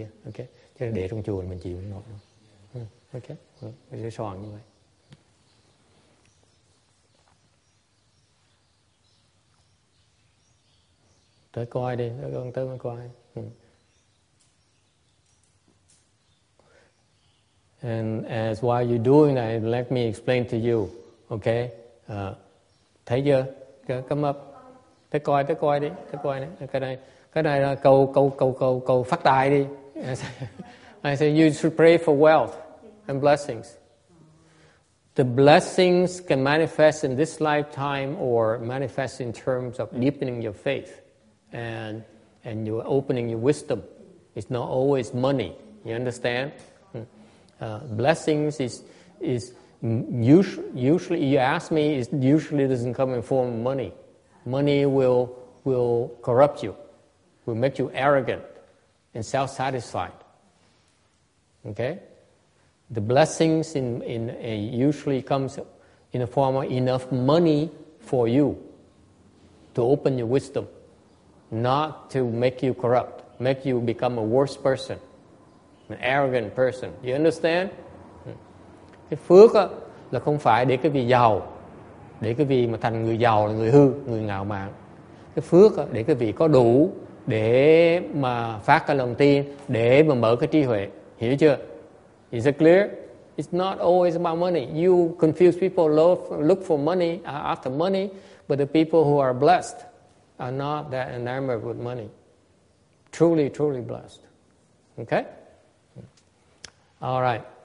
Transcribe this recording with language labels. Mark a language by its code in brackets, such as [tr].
[vi] Ok, chứ để trong chùa mình chịu không nổi. Ok, mình sẽ soạn như vậy. Tới coi đi, tới con tới mới coi. [en] And as while you're doing that, let me explain to you. [vi] Ok, thấy chưa? [en] Come up. [vi] Tới coi đi, tới coi đi. Cái này là cầu phát tài đi. [en] I say, you should pray for wealth and blessings. The blessings can manifest in this lifetime or manifest in terms of deepening your faith and you're opening your wisdom. It's not always money. You understand? Blessings is usually, you ask me, it usually doesn't come in form of money. Money will corrupt you, will make you arrogant and self-satisfied. Okay? The blessings in usually comes in the form of enough money for you to open your wisdom, not to make you corrupt, make you become a worse person, an arrogant person. You understand? [vi] Cái phước á, là không phải để cái vị giàu, để cái vị mà thành người giàu là người hư, người ngạo mạn. cái phước để quý vị có đủ để mà phát cái lòng tin, để mà mở cái trí huệ. Hiểu chưa? [en] Is it clear? It's not always about money. You confuse people, look for money, after money, but the people who are blessed are not that enamored with money. Truly, truly blessed. Okay? All right.